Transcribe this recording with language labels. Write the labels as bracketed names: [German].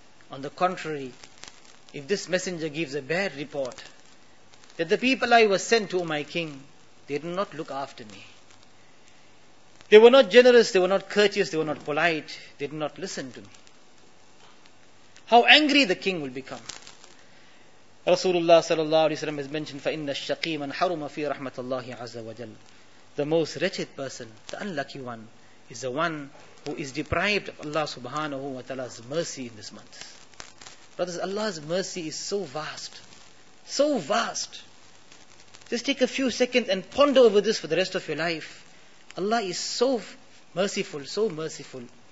[English] On the contrary, if this messenger gives a bad report, that the people I was sent to, O my king, they did not look after me. They were not generous, they were not courteous, they were not polite, they did not listen to me. How angry the king will become. [Arabic] Rasulullah sallallahu alayhi wa sallam [English] has mentioned, [Arabic] فَإِنَّ الشَّقِيمَ حَرُمَ فِي رَحْمَةَ اللَّهِ عَزَّ وَجَلَّ. [English] The most wretched person, the unlucky one, is the one who is deprived of Allah subhanahu wa ta'ala's mercy in this month. Brothers, Allah's mercy is so vast. So vast. Just take a few seconds and ponder over this for the rest of your life. Allah is so merciful, so merciful.